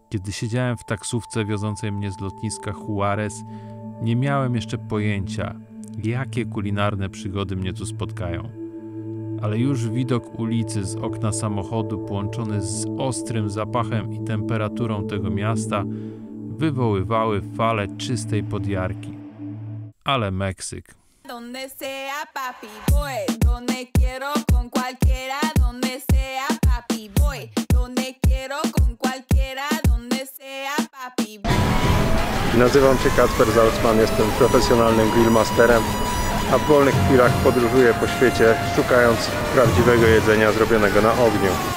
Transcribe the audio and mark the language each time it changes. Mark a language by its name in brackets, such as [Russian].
[Polish] Kiedy siedziałem w taksówce wiozącej mnie z lotniska Juarez, nie miałem jeszcze pojęcia, jakie kulinarne przygody mnie tu spotkają. Ale już widok ulicy z okna samochodu połączony z ostrym zapachem i temperaturą tego miasta wywoływały fale czystej podjarki. Ale Meksyk. [Spanish] Donde sea papi boy, donde quiero con cualquiera, donde sea papi boy, donde quiero con cualquiera, donde sea papi boy. [Polish] Nazywam się Kacper Zalcman, jestem profesjonalnym grillmasterem, a w wolnych chwilach podróżuję po świecie, szukając prawdziwego jedzenia zrobionego na ogniu.